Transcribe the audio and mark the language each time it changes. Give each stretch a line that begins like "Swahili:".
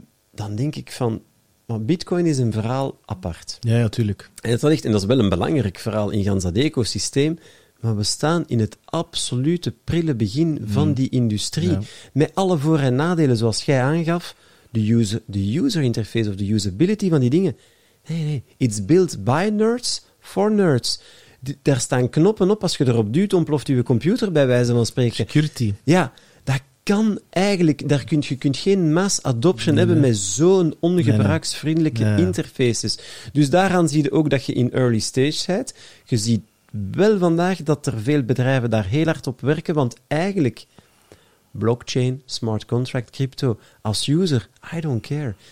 Dutch: Dan denk ik van... Maar bitcoin is een verhaal apart. Ja, natuurlijk. Ja, en dat is wel een belangrijk verhaal in gans dat ecosysteem. Maar we staan in het absolute prille begin van die industrie. Ja. Met alle voor- en nadelen, zoals jij aangaf. De user interface of de usability van die dingen. Nee.
English: It's built by nerds for nerds.
Dutch: Daar staan knoppen op. Als je erop duwt, ontploft je computer, bij wijze van spreken.
English: Security.
Dutch: Ja. Kan eigenlijk, daar kunt geen mass adoption hebben met zo'n ongebruiksvriendelijke interfaces. Dus daaraan zie je ook dat je in early stage bent. Je ziet wel vandaag dat er veel bedrijven daar heel hard op werken, want eigenlijk, blockchain, smart contract, crypto, als user,
English: I don't care.